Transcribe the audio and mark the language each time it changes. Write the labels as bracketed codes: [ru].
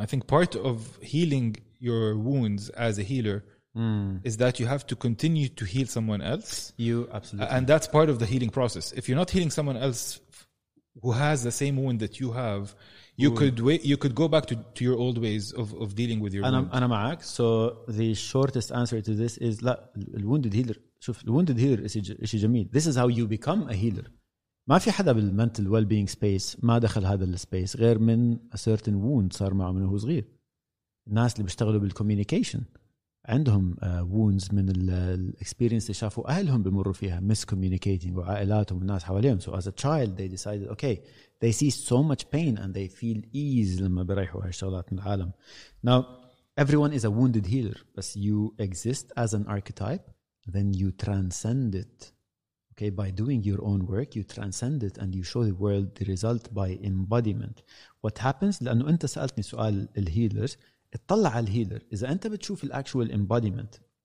[en] I think part of healing your wounds as a healer is that you have to continue to heal someone else. You absolutely. And that's part of the healing process. If you're not healing someone else who has the same wound that you have, you could wait, you could go back to your old ways of dealing with your wound. I'm معك. So the shortest answer to this is لا, الwounded healer. شوف, الwounded healer إشي جميل. This is how you become a healer. [ar] ما في حدا بال mental well-being space ما دخل هذا space غير من a certain wound صار معه من هو صغير. الناس اللي بيشتغلوا بالcommunication عندهم wounds من ال experience اللي شافوا أهلهم بمروا فيها, miscommunicating وعائلاتهم والناس حواليهم. [en] So as a child they decided, okay, they see so much pain and they feel ease لما بيريحوا هالشغلات من العالم. Now everyone is a wounded healer, but you exist as an archetype. Then you transcend it, okay, by doing your own work. You transcend it and you show the world the result by embodiment. What happens? [ar] لأنه أنت سألتني سؤال الهيلر, اطلع على الهيلر. إذا أنت بتشوف الأكشوال embodiment,